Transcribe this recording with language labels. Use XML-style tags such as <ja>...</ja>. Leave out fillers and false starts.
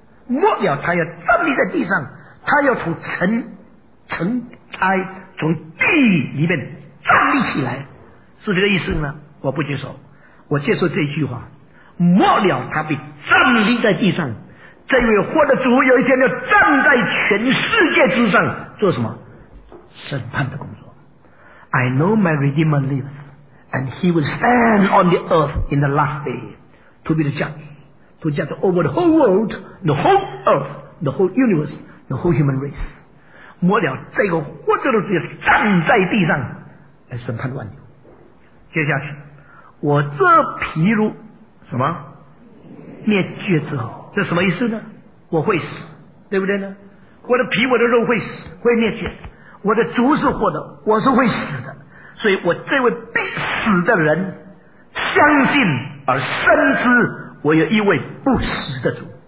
<zh>末了他要站立在地上，他要从尘埃从地里面站立起来，是这个意思呢？我不接受，我接受这句话，末了他必站立在地上，这位活的主有一天要站在全世界之上做什么？审判的工作。</zh> <en>I know my Redeemer lives and he will stand on the earth in the last day to be the judge, to judge over the whole world, the whole earth, the whole universe, the whole human race。</en> <zh>末了这个活着的主要站在地上来审判万有。接下去，我这疲辱什么灭绝之后，这什么意思呢？我会死，对不对呢？我的皮我的肉会死，会灭绝，我的主是活的，我是会死的，所以我这位必死的人相信而深知我有一位不死的主。</zh>